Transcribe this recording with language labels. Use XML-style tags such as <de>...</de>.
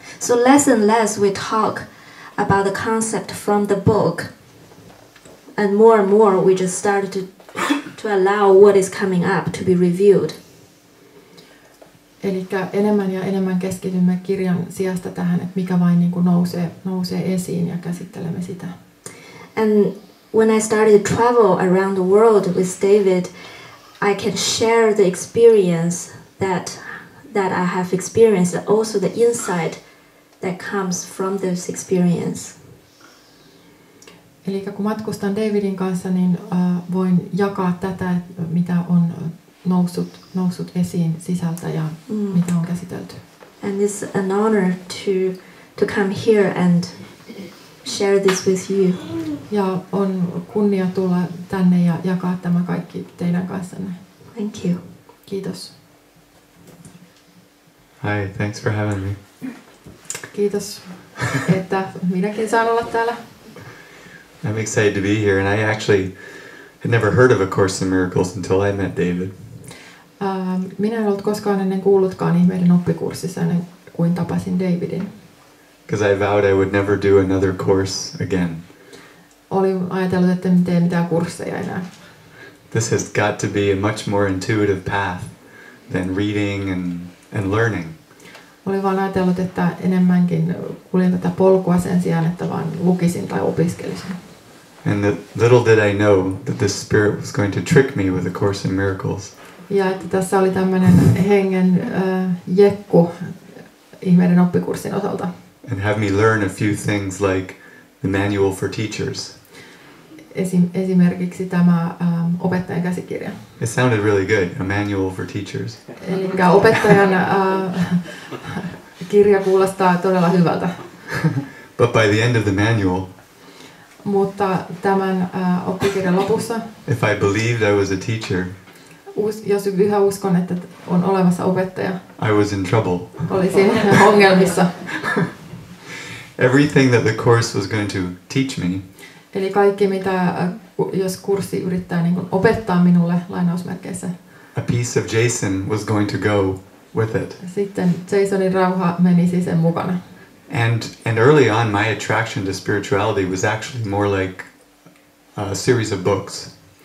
<en>So less and less we talk about the concept from the book and more we just started to allow what is coming up to be revealed.</en> <fi>Elikkä enemmän ja enemmän keskitymme kirjan sijasta tähän, että mikä vain niin kuin nousee esiin ja käsittelemme sitä.</fi> <en>And when I started to travel around the world with David, I can share the experience that I have experienced, also the insight that comes from those experience.</en> <fi>Eli kun matkustan Davidin kanssa, niin voin jakaa tätä, mitä on noussut esiin sisältä ja mitä on käsitelty.</fi> <en>And it's an honor to come here and share this with you.</en> <fi>Ja on kunnia tulla tänne ja jakaa tämä kaikki teidän kanssanne.</fi> <en>Thank you.</en> <fi>Kiitos.</fi> <en>Hi, thanks for having me.</en> <fi>Kiitos, että minäkin saan olla täällä.</fi> <en>I'm excited to be here, and I actually had never heard of A Course in Miracles until I met David.</en> <fi>Minä en ollut koskaan ennen kuullutkaan ihmeiden oppikurssissa ennen kuin tapasin Davidin.</fi> <en>Because I vowed I would never do another course again.</en> <fi>Olin ajatellut, että en tee mitään kursseja enää.</fi> <en>This has got to be a much more intuitive path than reading and learning.</en> <fi>Olin vaan ajatellut, että enemmänkin kuljen tätä polkua sen sijaan, että vaan lukisin tai opiskelisin.</fi> <en>And little did I know that this spirit was going to trick me with A Course in Miracles.</en> <fi>Ja että tässä oli tämmöinen hengen jekku ihmeiden oppikurssin osalta.</fi> <en>And have me learn a few things like the manual for teachers.</en> <fi>Esimerkiksi tämä opettajan käsikirja.</fi> <en>It sounded really good, a manual for teachers.</en> <fi>Eli opettajan kirja kuulostaa todella hyvältä.</fi> <en>But by the end of the manual.</en> <fi>Mutta tämän oppikirjan lopussa.</fi> <en>If I believed I was a teacher.</en> <fi>Jos yhä uskon, että on olemassa opettaja.</fi> <en>I was in trouble.</en> <fi>Olisin ongelmissa.</fi> <en>Everything that the course was going to teach me.</en> <fi>Eli kaikki mitä jos kurssi yrittää niin kuin opettaa minulle lainausmerkeissä.</fi> <en>A piece of Jason was going to go with it.</en> <fi>Sitten Jasonin rauha menisi sen mukana.</fi> <en>And early on my attraction to spirituality was actually more like a series of books.</en>